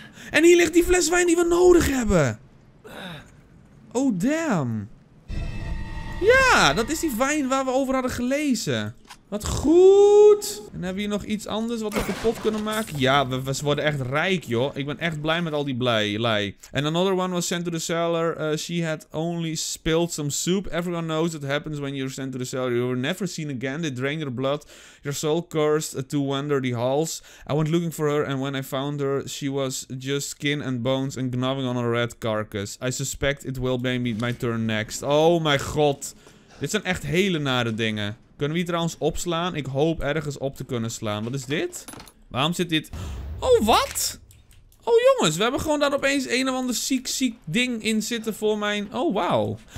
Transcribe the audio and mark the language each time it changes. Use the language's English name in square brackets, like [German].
[Dutch] En hier ligt die fles wijn die we nodig hebben. [English] Oh damn. [Dutch] Ja, dat is die wijn waar we over hadden gelezen. Wat goed. En hebben we hier nog iets anders wat we kapot kunnen maken? Ja, we worden echt rijk, joh. Ik ben echt blij met al die blij. [English] And another one was sent to the cellar. She had only spilled some soup. Everyone knows what happens when you're sent to the cellar. You were never seen again. They drained your blood. Your soul cursed to wander the halls. I went looking for her and when I found her, she was just skin and bones and gnawing on a red carcass. I suspect it will be my turn next. Oh my god. [Dutch] Dit zijn echt hele nare dingen. Kunnen we hier trouwens opslaan? Ik hoop ergens op te kunnen slaan. Wat is dit? Waarom zit dit... Oh, wat? Oh, jongens. We hebben gewoon daar opeens een of ander ziek ding in zitten voor mijn... Oh, wauw.